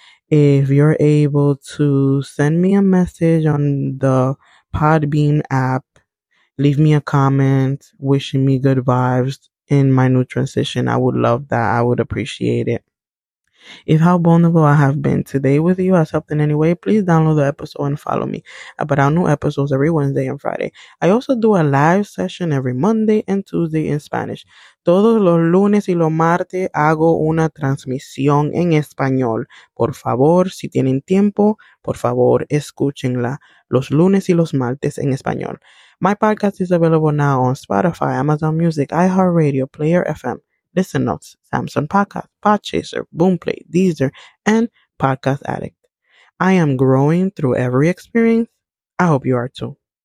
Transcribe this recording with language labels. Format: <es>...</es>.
<en>If you're able to send me a message on the Podbean app, leave me a comment wishing me good vibes in my new transition. I would love that. I would appreciate it. If how vulnerable I have been today with you has helped in any way, please download the episode and follow me. I put out new episodes every Wednesday and Friday. I also do a live session every Monday and Tuesday in Spanish.</en> <es>Todos los lunes y los martes hago una transmisión en español. Por favor, si tienen tiempo, por favor, escúchenla. Los lunes y los martes en español.</es> <en>My podcast is available now on Spotify, Amazon Music, iHeartRadio, Player FM, Listen Notes, Samsung Podcast, Podchaser, Boomplay, Deezer, and Podcast Addict. I am growing through every experience. I hope you are too.</en>